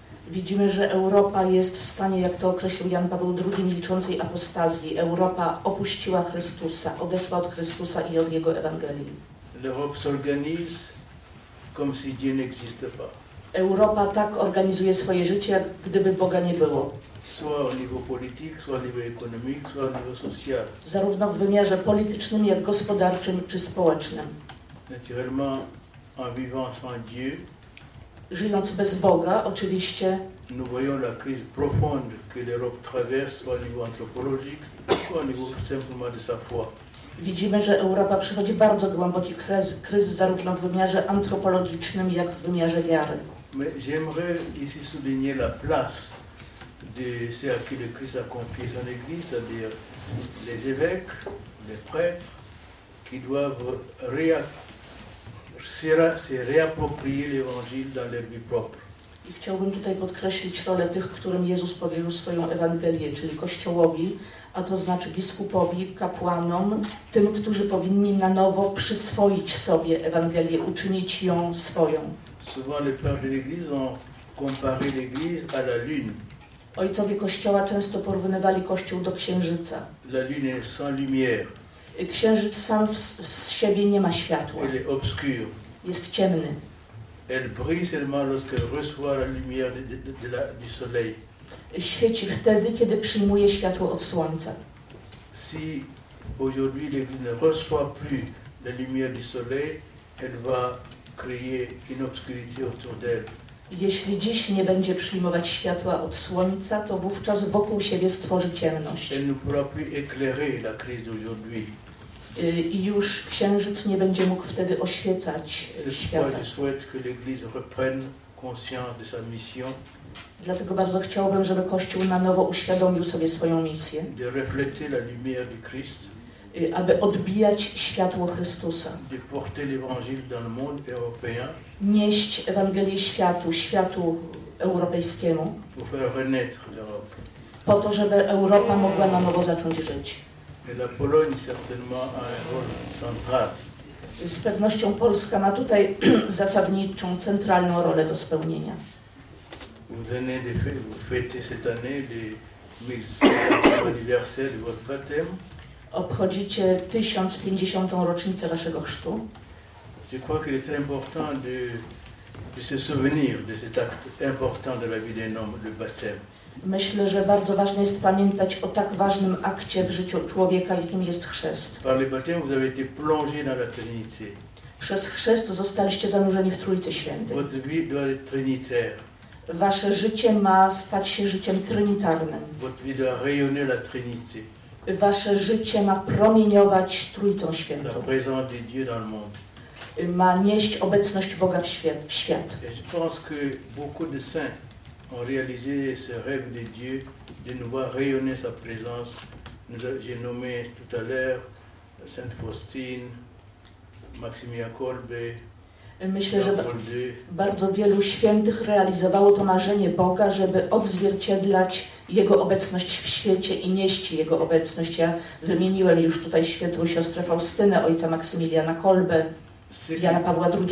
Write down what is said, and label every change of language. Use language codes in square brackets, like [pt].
[pl] Widzimy, że Europa jest w stanie, jak to określił Jan Paweł II, milczącej apostazji. Europa opuściła Chrystusa, odeszła od Chrystusa i od Jego Ewangelii. [fr] L'Europe s'organise comme si Dieu n'existe pas. [pl] Europa tak organizuje swoje życie, jak gdyby Boga nie było. [fr] Soit au niveau politique, soit au niveau économique, soit au niveau social. [pl] Zarówno w wymiarze politycznym, jak gospodarczym czy społecznym. [fr] Naturellement, en vivant sans Dieu, [pl] żyjąc bez Boga, oczywiście, [fr] nous voyons la crise profonde que l'Europe traverse, soit au niveau anthropologique, soit au niveau simplement de sa foi. [pl] Widzimy, że Europa przechodzi bardzo głęboki kryzys zarówno w wymiarze antropologicznym, jak w wymiarze wiary. [fr] Mais j'aimerais ici souligner la place de ceux à qui le Christ a confié son Église, c'est-à-dire les évêques, les prêtres, qui doivent se réapproprier l'Évangile dans leur vie propre. [pl] I chciałbym tutaj podkreślić rolę tych, którym Jezus powierzył swoją Ewangelię, czyli Kościołowi, a to znaczy biskupowi, kapłanom, tym, którzy powinni na nowo przyswoić sobie Ewangelię, uczynić ją swoją. [fr] Souvent les pères de l'Église ont comparé l'Église à la lune. [pl] Ojcowie Kościoła często porównywali Kościół do księżyca. [fr] La lune est sans lumière. [pl] Księżyc sam z siebie nie ma światła. [fr] Elle est obscure. [pl] Jest ciemny. [fr] Elle brille seulement lorsque reçoit la lumière du soleil. [pl] Świeci wtedy, kiedy przyjmuje światło od słońca. [fr] Si aujourd'hui l'Église ne reçoit plus la lumière du soleil, elle va créer une obscurité autour d'elle. [pl] Jeśli dziś nie będzie przyjmować światła od słońca, to wówczas wokół siebie stworzy ciemność. [fr] Elle ne pourra plus éclairer la crise d'aujourd'hui. [pl] I już księżyc nie będzie mógł wtedy oświecać świata. [fr] Je souhaite que l'Église reprenne conscience de sa mission. [pl] Dlatego bardzo chciałbym, żeby Kościół na nowo uświadomił sobie swoją misję. [fr] De refléter la lumière du Christ. [pl] Aby odbijać światło Chrystusa. [fr] De porter l'Évangile dans le monde européen. [pl] Nieść Ewangelię światu europejskiemu. [fr] Pour faire renaître l'Europe. [pl] Po to, żeby Europa mogła na nowo zacząć żyć. [fr] Et la Pologne certainement a un rôle central. [pl] Z pewnością Polska ma tutaj zasadniczą, centralną rolę do spełnienia. [fr] Vous venez de fêter cette année le 1100 anniversaire de votre baptême. [pl] Obchodzicie 1050. Rocznicę waszego chrztu. [fr] Je crois qu'il est important de se souvenir de cet acte important de la vie d'un homme, le baptême. [pl] Myślę, że bardzo ważne jest pamiętać o tak ważnym akcie w życiu człowieka, jakim jest chrzest. [fr] Par le baptême, vous avez été plongé dans la Trinité. [pl] Przez chrzest zostaliście zanurzeni w Trójcy Świętej. [fr] Votre vie doit être trinitaire. [pl] Wasze życie ma stać się życiem trynitarnym. [fr] Votre vie doit rayonner la Trinité. [pl] Wasze życie ma promieniować Trójcą Świętą. [fr] La présence de Dieu dans le monde. [pl] Ma nieść obecność Boga w świat. [fr] Et je pense que beaucoup de saints ont réalisé ce rêve de Dieu de nous voir rayonner sa présence. J'ai nommé tout à l'heure Sainte Faustine, Maximilien Kolbe. [pl] Myślę, że bardzo wielu świętych realizowało to marzenie Boga, żeby odzwierciedlać Jego obecność w świecie i nieść Jego obecność. Ja wymieniłem już tutaj świętą siostrę Faustynę, ojca Maksymiliana Kolbe, Jana Pawła